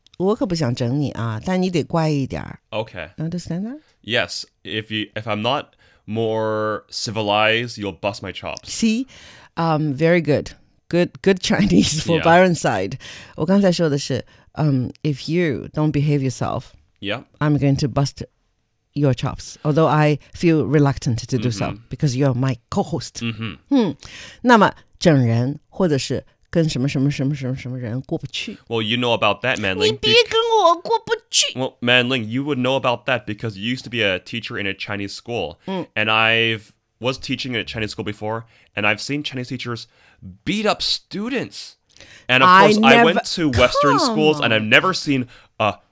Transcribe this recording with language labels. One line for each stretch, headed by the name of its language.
Chinese: 我可不想整你啊，但你得乖一点。
English: OK. Understand that? Yes. If I'm not more civilized, you'll bust my chops. See? Very good. Good Chinese for Byron's side.
Chinese: 我刚才说的是
English: if you don't behave yourself, I'm going to bust it. Your chops, although I feel reluctant to do so because you're my co-host.
Chinese: 那么整人或者是跟什么什么什么什么什么人过不去。
English: Well, you know about that, Manling.
Chinese: 你别跟我过不去。
English: Well, Manling, you would know about that because you used to be a teacher in a Chinese school. And I was teaching in a Chinese school before, and I've seen Chinese teachers beat up students. And of course, I went to Western schools, and I've never seen a...